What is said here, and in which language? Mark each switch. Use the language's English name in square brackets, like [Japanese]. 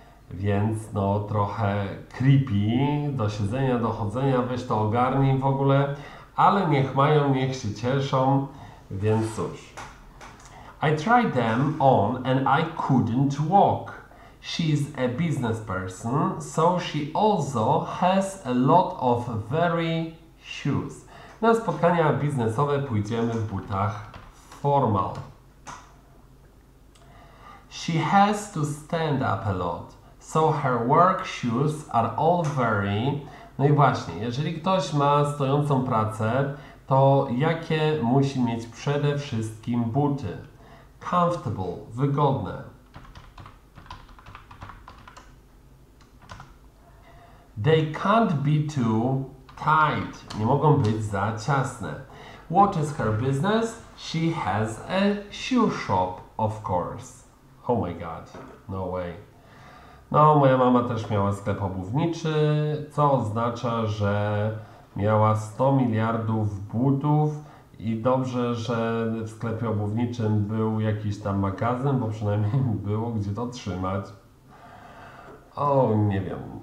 [Polish] Więc no trochę creepy, do siedzenia, do chodzenia, weź to ogarnij w ogóle, ale niech mają, niech się cieszą, więc cóż. [English] I tried them on and I couldn't walk. She's a business person, so she also has a lot of very shoes. [Polish] Na spotkania biznesowe pójdziemy w butach formal. [English] She has to stand up a lot. So her work shoes are all very... [Polish] No i właśnie, jeżeli ktoś ma stojącą pracę, to jakie musi mieć przede wszystkim buty? [English] Comfortable, [Polish] wygodne. [English] They can't be too tight. [Polish] Nie mogą być za ciasne. [English] What is her business? She has a shoe shop, of course. Oh my god, no way. [Polish] No, moja mama też miała sklep obuwniczy, co oznacza, że miała 100 miliardów butów i dobrze, że w sklepie obuwniczym był jakiś tam magazyn, bo przynajmniej było gdzie to trzymać. O, nie wiem.